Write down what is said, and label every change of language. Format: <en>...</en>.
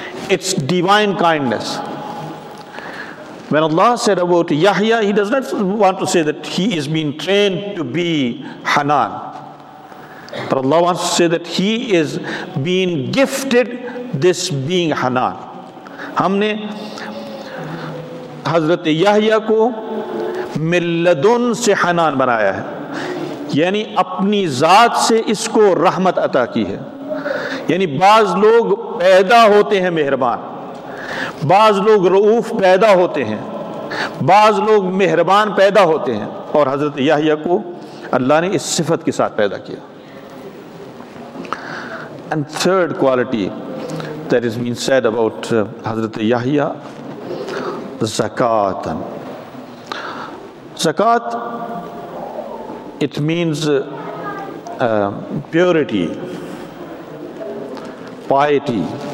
<en>It's divine kindness. When Allah said about Yahya, he does not want to say that he is being trained to be Hanan. But Allah wants to say that he is being gifted this being Hanan.</en> <ur>ہم نے حضرت یحییٰ کو من لدن سے حنان بنایا ہے, یعنی اپنی ذات سے اس کو رحمت عطا کی ہے. یعنی بعض لوگ پیدا ہوتے ہیں مہربان, بعض لوگ رؤوف پیدا ہوتے ہیں, بعض لوگ مہربان پیدا ہوتے ہیں, اور حضرت یحییٰ کو اللہ نے اس صفت کے ساتھ پیدا کیا.</ur> <en>And third quality that has been said about Hazrat Yahya, zakat. Zakat, it means purity, piety.</en>